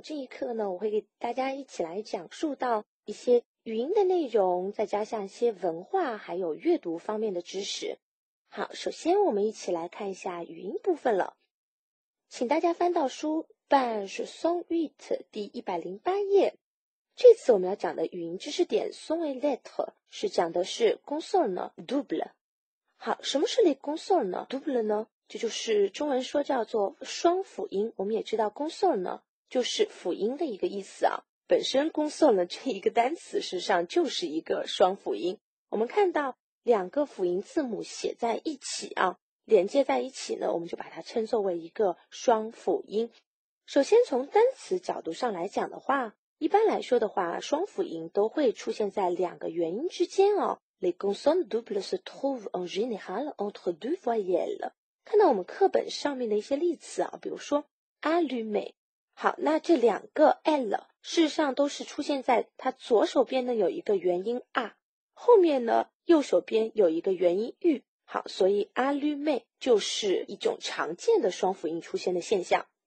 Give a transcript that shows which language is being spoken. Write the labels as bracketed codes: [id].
[zh] 这一课呢我会给大家一起来讲述到一些语音的内容，再加上一些文化还有阅读方面的知识。好，首先我们一起来看一下语音部分了，请大家翻到书半是松 8 第108页。这次我们要讲的语音知识点松为 lettre 是讲的是 consonne double。好，什么是 les consonnes double 呢？这就是中文说叫做双辅音。我们也知道 consonne 呢就是辅音的一个意思啊。本身 consonne 这一个单词实际上就是一个双辅音。我们看到两个辅音字母写在一起啊，连接在一起呢，我们就把它称作为一个双辅音。首先从单词角度上来讲的话，一般来说的话，双辅音都会出现在两个元音之间哦。 [fr] Les consonnes doubles se trouvent en général entre deux voyelles. [zh] 看到我们课本上面的一些例子啊，比如说 allumer。好，那这两个 l 事实上都是出现在它左手边呢有一个元音 a， 后面呢右手边有一个元音 u。好，所以 allumer 就是一种常见的双辅音出现的现象。